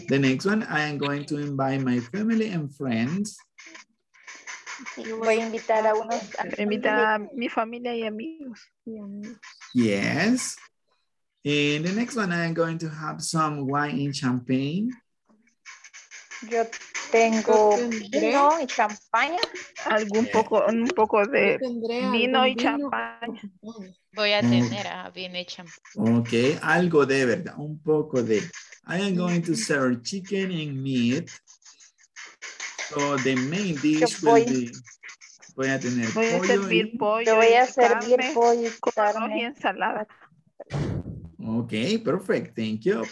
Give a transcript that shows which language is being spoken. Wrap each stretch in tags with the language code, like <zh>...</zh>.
<en>The next one, I am going to invite my family and friends.</en> <es>Voy a invitar a unos, invitar a mi familia y amigos.</es> <en>Yes. And the next one, I am going to have some wine and champagne.</en> <es>Yo tengo vino y champaña. Algún poco, un poco de vino y champaña. Voy a tener a vino y champaña. Okay, algo de verdad, un poco de.</es> <en>I am going to serve chicken and meat. So the main dish will be,</en> <es>voy a tener voy a pollo, servir pollo, te voy a servir pollo y carne y ensalada.</es> <en>Okay, perfect. Thank you.</en>